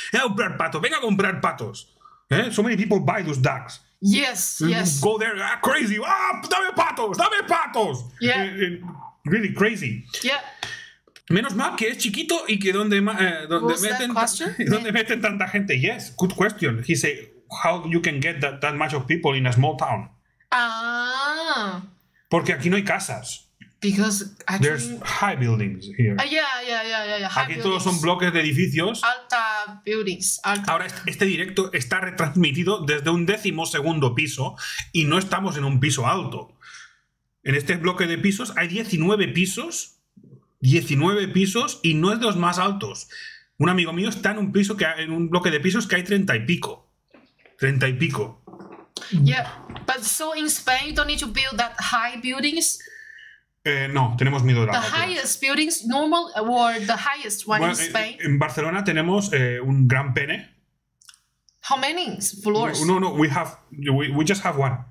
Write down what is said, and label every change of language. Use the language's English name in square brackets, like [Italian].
[Spanish] Venga a comprar patos, venga a comprar patos. ¿Eh? [English] So many people buy those ducks. Yes, yes. Go there, ah, crazy. Ah, [Spanish] dame patos. [English] Yeah. Really crazy. Yeah. [Spanish] Menos mal que es chiquito y que donde meten tanta gente. [English] Yes, good question. He said, how you can get that much of people in a small town? Ah. [Spanish] Porque aquí no hay casas. [English] Because actually, there's high buildings here. Yeah. [Spanish] Aquí buildings. Todos son bloques de edificios. Alta buildings. Alta. Ahora este directo está retransmitido desde un 12º piso y no estamos en un piso alto. En este bloque de pisos hay 19 pisos y no es de los más altos. Un amigo mío está en un bloque de pisos que hay 30 y pico. 30 y pico. [English] Yeah, but so in Spain you don't need to build that high buildings. [Spanish] No, tenemos miedo de la altura. [English] The highest buildings normal or the highest one, bueno, in Spain. [Spanish] En Barcelona tenemos un gran pene. [English] How many floors? No. We just have one.